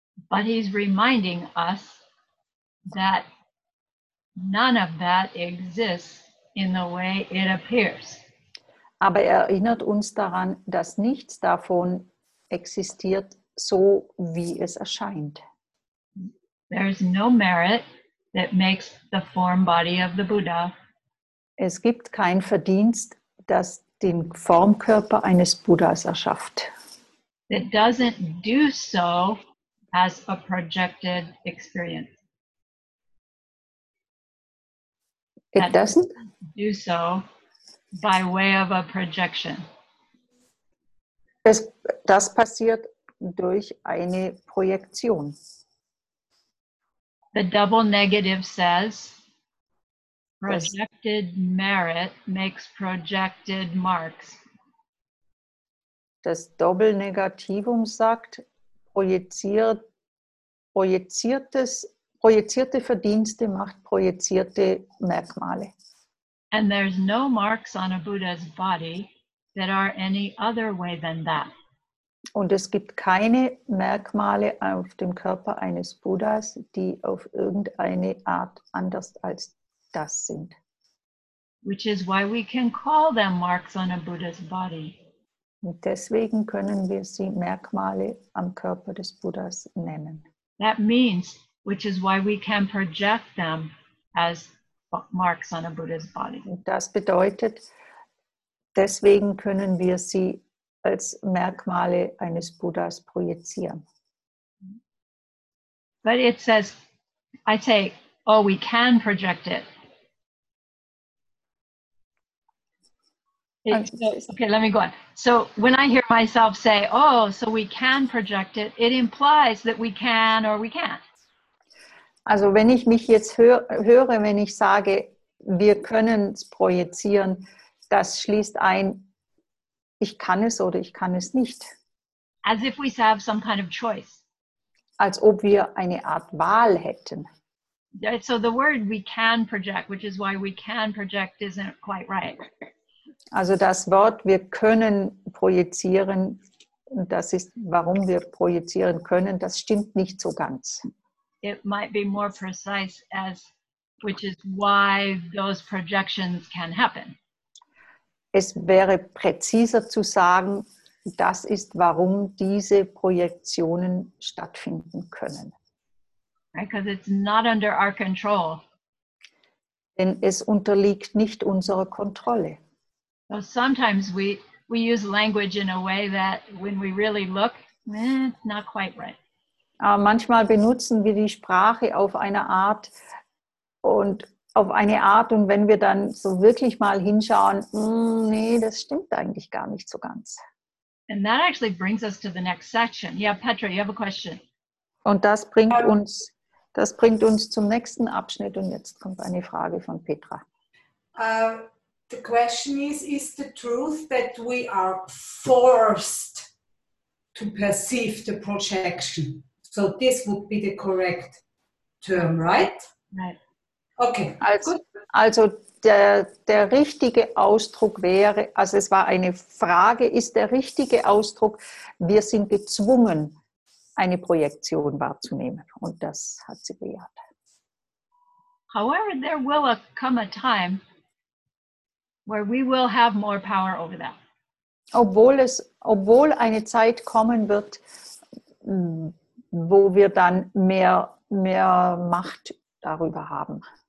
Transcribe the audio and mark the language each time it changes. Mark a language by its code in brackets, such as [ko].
[en] But he's reminding us that none of that exists in the way it appears. [de] Aber er erinnert uns daran, dass nichts davon existiert, so wie es erscheint. [en] There is no merit that makes the form body of the Buddha. [de] Es gibt kein Verdienst, das den Formkörper eines Buddhas erschafft. [en] It doesn't do so as a projected experience. It doesn't do so by way of a projection. [de] Das passiert durch eine Projektion. [en] The double negative says projected merit makes projected marks. [de] Das Doppelnegativum sagt, projizierte Verdienste macht projizierte Merkmale. [en] And there's no marks on a Buddha's body that are any other way than that. [de] Und es gibt keine Merkmale auf dem Körper eines Buddhas, die auf irgendeine Art anders als das sind. [en] Which is why we can call them marks on a Buddha's body. [de] Und deswegen können wir sie Merkmale am Körper des Buddhas nennen. [en] That means, which is why we can project them as marks on a Buddha's body. [de] Und das bedeutet, deswegen können wir sie als Merkmale eines Buddhas projizieren. [en] But it says, I say, oh, we can project it. Okay, let me go on. So when I hear myself say, oh, so we can project it, it implies that we can or we can't. [de] Also wenn ich mich jetzt höre, wenn ich sage, wir können es projizieren, das schließt ein, ich kann es oder ich kann es nicht. [en] As if we have some kind of choice. [de] Als ob wir eine Art Wahl hätten. [en] So the word we can project, which is why we can project, isn't quite right. [de] Also das Wort, wir können projizieren, das ist, warum wir projizieren können, das stimmt nicht so ganz. [en] It might be more precise as, which is why those projections can happen. [de] Es wäre präziser zu sagen, das ist, warum diese Projektionen stattfinden können. [en] Right, 'cause it's not under our control. [de] Denn es unterliegt nicht unserer Kontrolle. [en] So sometimes we use language in a way that when we really look, it's not quite right. [de] Aber manchmal benutzen wir die Sprache auf eine Art und wenn wir dann so wirklich mal hinschauen, das stimmt eigentlich gar nicht so ganz. [en] And that actually brings us to the next section. Yeah, Petra, you have a question. [de] Und das bringt uns zum nächsten Abschnitt und jetzt kommt eine Frage von Petra. [en] The question is the truth that we are forced to perceive the projection? So this would be the correct term, right? Right. Okay. [de] Also der richtige Ausdruck wäre, also es war eine Frage, ist der richtige Ausdruck, wir sind gezwungen, eine Projektion wahrzunehmen. Und das hat sie bejaht. [en] However, there will come a time where we will have more power over that. [de] Obwohl eine Zeit kommen wird, wo wir dann mehr Macht darüber haben.